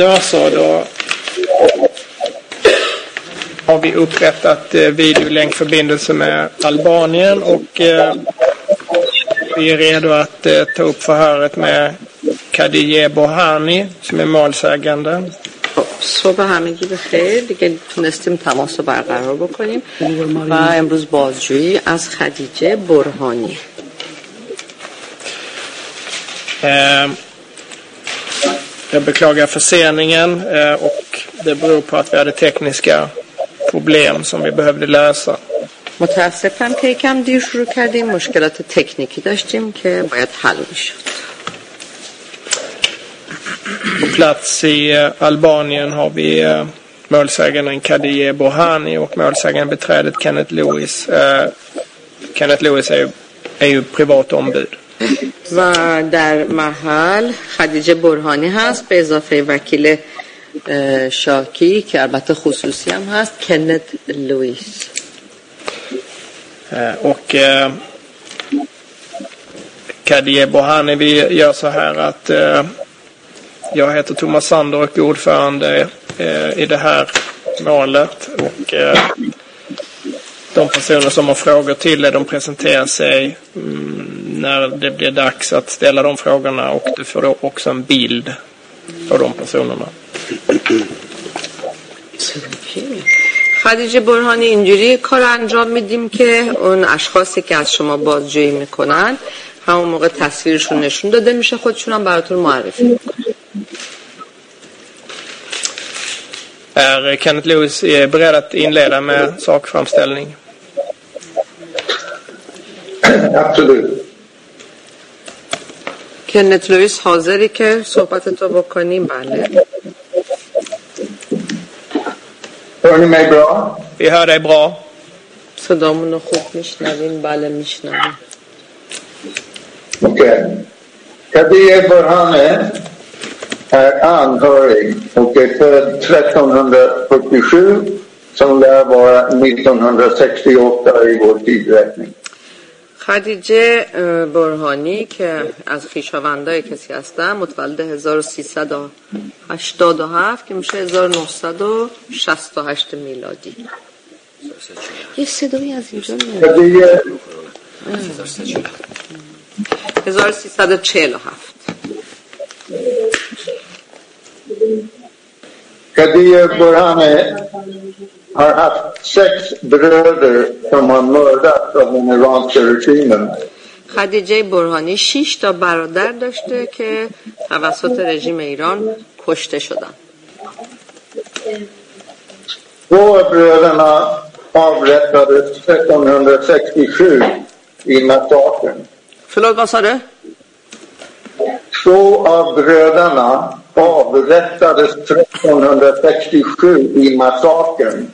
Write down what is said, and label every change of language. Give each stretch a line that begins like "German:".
Swedish: Då har vi upprättat videolänkförbindelse med Albanien och vi är redo att ta upp förhöret med Khadije Bohani som är målsägande.
Persian: Så به همه گی به خیر دیگه تونستیم تماس رو برقرار بکنیم و امروز بازجویی از خدیجه برهانی.
Swedish: Jag beklagar förseningen och det beror på att vi hade tekniska problem som vi behövde lösa.
Persian: متاسفم که یکم دیر شروع کردیم، مشکلات تکنیکی داشتیم که باید حل میشد.
Swedish: På plats i Albanien har vi målsäganden Khadije Bohani och målsägandebiträdet Kenneth Lewis. Kenneth Lewis är ju privat ombud.
Persian: و در محل خدیجه برهانی هست به اضافه وکیل شاکی که البته خصوصی هم هست کنت لویس
Swedish: و خدیجه برهانی vi gör så här att jag heter Thomas Sander och är ordförande i det här målet och de personer som har frågor till er, de presenterar sig när det blir dags att ställa de frågorna och du får också en bild av de personerna.
Persian: خدیجه برهانی اینجوری کار انجام میدیم که اون اشخاصی که از شما بازجویی میکنن همون موقع تصویرشون نشون داده میشه خودشون هم براتون معرفی میکنن.
Swedish: Kenneth Lewis är beredd att inleda med sakframställning.
Persian: Kenneth Lewis حاضری که صحبتتو بکنیم بله.
Swedish: Hör ni mig bra? Vi hör dig bra. Så de har nog skjort mishnavin, bale mishnavin. Okej. Khadije Bohani anhörig och är född 1347 som lär vara 1968 i vår tidräkning.
Persian: خدیجه برهانی که از خیشاوندای کسی هستم متولد 1387 که میشه 1968 میلادی. یه صدایی از اینجا میاد. 1347.
Swedish: خدیجه برهانی har haft sex bröder som har mördats av den iranska regimen.
Persian: خدیجه برهانی 6 تا برادر داشته که توسط رژیم ایران کشته شدن.
Swedish: Två bröderna avrättades 1967 i massakern. Förlåt, vad sa du? Två av bröderna avrättades 1367 i massakern.